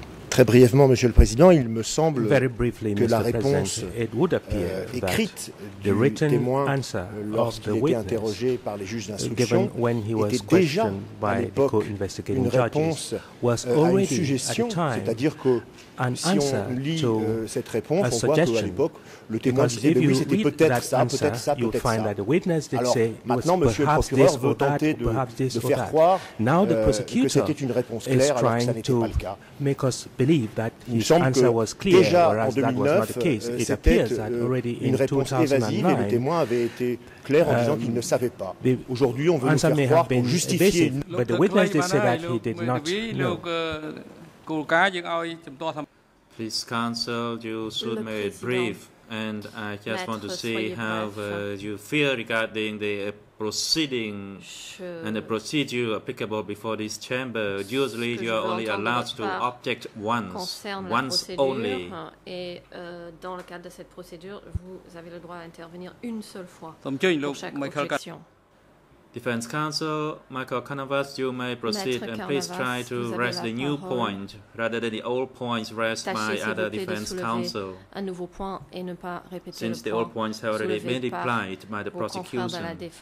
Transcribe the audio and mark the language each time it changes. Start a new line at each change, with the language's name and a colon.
French: Très brièvement, Monsieur le Président, il me semble que la réponse écrite du témoin lorsqu'il était interrogé par les juges d'instruction était déjà à l'époque une réponse à une suggestion, c'est-à-dire que si on lit cette réponse, on voit qu'à l'époque, le témoin disait « oui, c'était peut-être ça, peut-être ça, peut-être ça ». Alors maintenant, Monsieur le procureur veut tenter de faire croire que c'était une réponse claire alors que ça n'était pas le cas.
English: Because believe that his answer was clear, whereas that was not the case. It appears that already in 2009, the answer may have been evasive, but the witness did say that he did not know. Please, counsel, you should make it brief, and I just want to see how you feel regarding the proceeding and the procedure applicable before this chamber. Usually you are only allowed to object once only.
French: Et dans le cadre de cette procédure, vous avez le droit à intervenir une seule fois pour chaque objection.
English: Defense counsel, Michael Canavas, you may proceed and please try to raise the new point rather than the old points raised by other defense counsel.
French: Un nouveau point et ne pas répéter
English: since the old points have already been replied by the prosecution.